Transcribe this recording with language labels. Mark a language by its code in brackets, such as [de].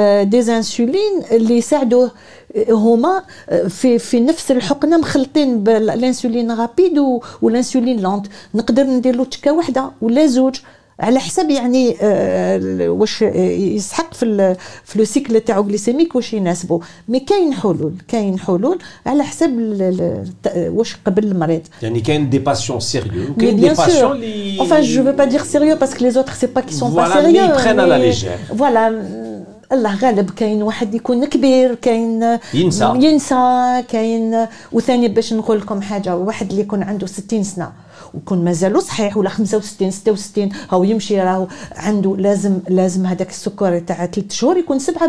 [ar] ديزانسولين اللي يساعدوه هما في نفس الحقنه مخلطين بالانسولين رابيد والانسولين لونت نقدر ندير له تكه واحده ولا زوج على حسب يعني واش يسحق في لو سيكل تاعو غليسيميك واش يناسبه مي كاين حلول على حسب واش قبل المريض يعني كاين دي باسيون سيريو كاين دي باسيون لي [fr] enfin je veux pas dire sérieux parce que les autres c'est pas qu'ils sont voilà, pas sérieux mais ils prennent à la légère [ar] voilà الله غالب كاين واحد يكون كبير كاين ينسى كاين وثاني باش نقول لكم حاجه واحد اللي يكون عنده 60 سنه ويكون مازال صحيح ولا 65 66 هو يمشي راهو عنده لازم هذاك السكر تاع 3 شهور يكون 7%